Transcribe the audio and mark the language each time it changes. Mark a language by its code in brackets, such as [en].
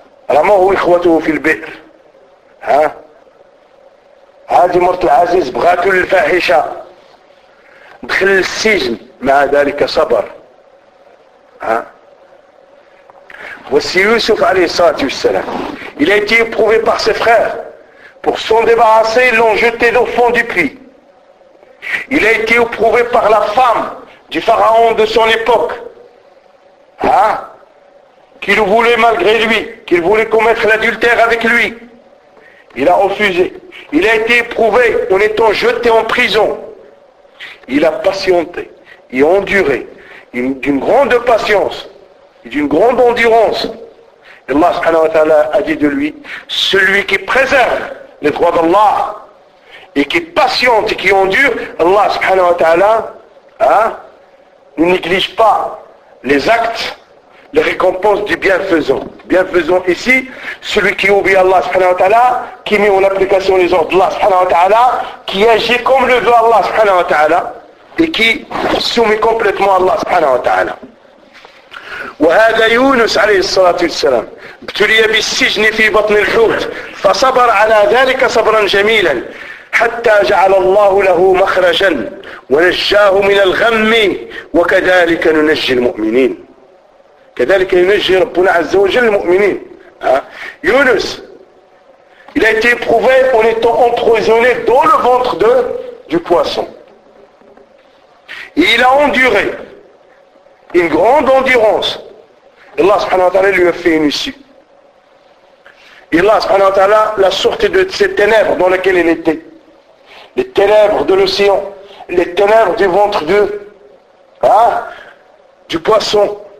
[ar] رموه إخوته في البئر ها هذه مرت العزيز بغات الفاحشة دخل السجن مع ذلك صبر ها [fr] Voici Youssouf alayhi salatu wassalam. Il a été éprouvé par ses frères. Pour s'en débarrasser, ils l'ont jeté au fond du puits. Il a été éprouvé par la femme du pharaon de son époque. Hein? Qu'il voulait malgré lui, qu'il voulait commettre l'adultère avec lui. Il a refusé. Il a été éprouvé en étant jeté en prison. Il a patienté et enduré d'une grande patience. Et d'une grande endurance. Allah subhanahu wa ta'ala a dit de lui, celui qui préserve les droits d'Allah et qui patiente et qui endure, Allah subhanahu wa ta'ala ne néglige pas les actes, les récompenses du bienfaisant. Bienfaisant ici, celui qui obéit Allah subhanahu wa ta'ala, qui met en application les ordres d'Allah subhanahu wa ta'ala, qui agit comme le veut Allah subhanahu wa ta'ala et qui soumet complètement Allah subhanahu wa ta'ala. [ar] وهذا يونس عليه الصلاة والسلام ابتلي بالسجن في بطن الحوت فصبر على ذلك صبرا جميلا حتى جعل الله له مخرجا ونجاه من الغم وكذلك ننجي المؤمنين كذلك ينجي ربنا عز وجل المؤمنين يونس [fr] il a été éprouvé en étant emprisonné dans le ventre de du poisson et il a enduré une grande endurance. Allah subhanahu wa ta'ala lui a fait une issue. Et Allah subhanahu wa ta'ala l'a sorti de ces ténèbres dans lesquelles il était. Les ténèbres de l'océan, les ténèbres du ventre de, hein, du poisson.